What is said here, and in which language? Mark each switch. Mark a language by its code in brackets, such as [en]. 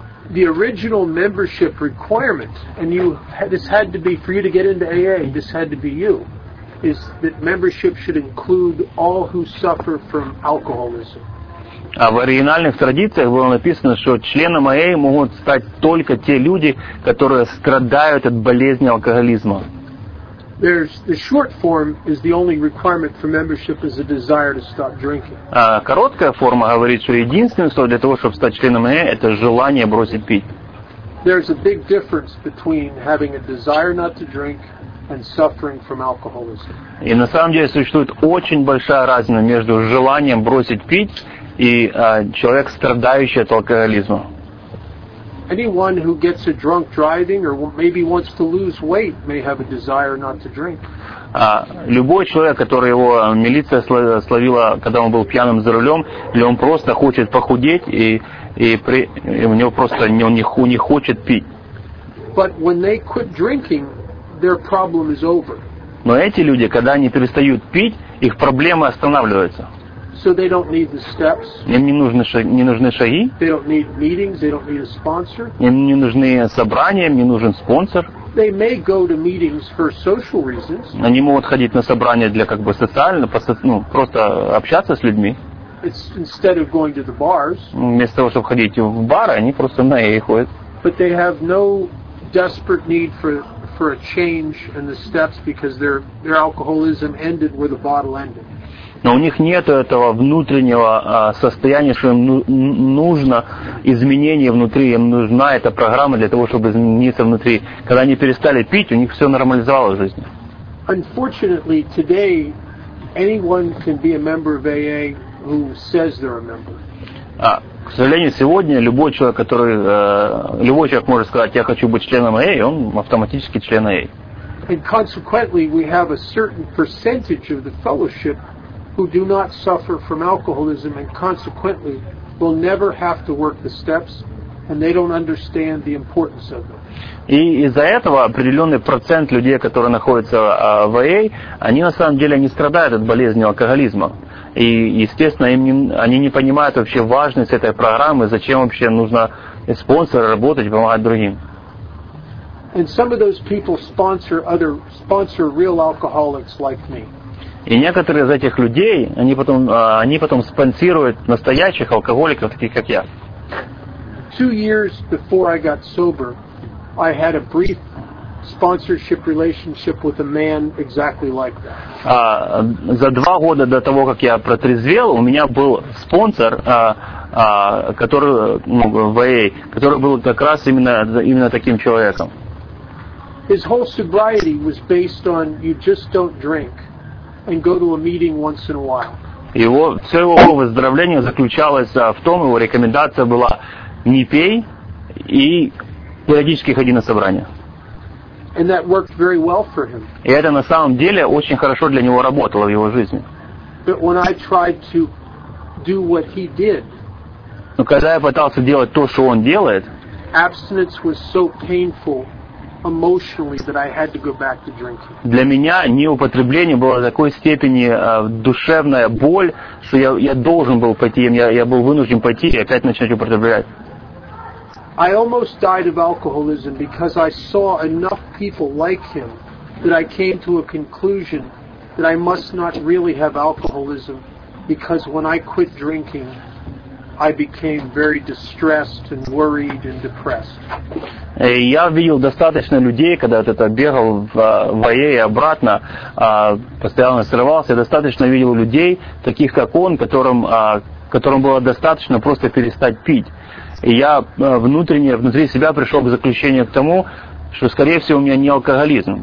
[en] The original membership requirement, and you, this had to be for you to get into AA, this had to be you, is that membership should include all who suffer from alcoholism. [ru] А в оригинальных традициях было написано, что членом АА могут стать только те люди, которые страдают от болезни алкоголизма. [en] The short form is the only requirement for membership is a desire to stop drinking. [ru] А короткая форма говорит, что единственное условие для того, чтобы стать членом АА, это желание бросить пить. [en] There's a big difference between having a desire not to drink and suffering from alcoholism. [ru] И на самом деле существует очень большая разница между желанием бросить пить и человек, страдающий от алкоголизма. [en] Anyone who gets a drunk driving or maybe wants to lose weight may have a desire not to drink. [ru] Любой человек, который его милиция словила, когда он был пьяным за рулем, или он просто хочет похудеть и у него просто не хочет пить. [en] But when they quit drinking, their problem is over. [ru] Но эти люди, когда они перестают пить, их проблемы останавливаются. [en] So they don't need the steps. [ru] Им не нужны шаги. [en] They don't need meetings. They don't need a sponsor. [ru] Им не нужны собрания. Им не нужен спонсор. [en] They may go to meetings for social reasons. [ru] Они могут ходить на собрания для как бы социально, просто общаться с людьми. [en] It's instead of going to the bars. [ru] Вместо того, чтобы ходить в бары, они просто на AA ходят. [en] But they have no desperate need for a change in the steps because their alcoholism ended where the bottle ended. [ru] Но у них нет этого внутреннего состояния, что им нужно изменение внутри, им нужна эта программа для того, чтобы измениться внутри. Когда они перестали пить, у них все нормализовалось в жизни. [en] Unfortunately, today anyone can be a member of AA who says they're a member. [ru] К сожалению, сегодня любой человек может сказать, я хочу быть членом AA, он автоматически член AA. [en] And consequently, we have a certain percentage of the fellowship who do not suffer from alcoholism and consequently will never have to work the steps and they don't understand the importance of them. [ru] И из-за этого определенный процент людей, которые находятся в АА, они на самом деле не страдают от болезни алкоголизма. И, естественно, они не понимают вообще важность этой программы, зачем вообще нужно спонсора работать, помогать другим. [en] And some of those people sponsor real alcoholics like me. [ru] И некоторые из этих людей, они потом спонсируют настоящих алкоголиков, таких как я. [en] 2 years before I got sober, I had a brief sponsorship relationship with a man exactly like that. [ru] За 2 года до того, как я протрезвел, у меня был спонсор, который был как раз именно таким человеком. [en] His whole sobriety was based on you just don't drink and go to a meeting once in a while. [ru] Его выздоровление заключалось в том, его рекомендация была: не пей и периодически ходи на собрания. [en] And that worked very well for him. [ru] И это на самом деле очень хорошо для него работало в его жизни. [en] But when I tried to do what he did, [ru] но когда я пытался делать то, что он делает, [en] abstinence was so painful emotionally that I had to go back to drinking. [ru] Для меня неупотребление было такой степени душевная боль, что я должен был пойти, я был вынужден пойти и опять начать употреблять. [en] I almost died of alcoholism because I saw enough people like him that I came to a conclusion that I must not really have alcoholism, because when I quit drinking, I became very distressed and worried and depressed. [ru] Я видел достаточно людей, когда вот это бегал в АЭ и обратно, постоянно срывался. Я достаточно видел людей, таких как он, которым было достаточно просто перестать пить. И я внутри себя пришел к заключению к тому, что, скорее всего, у меня не алкоголизм.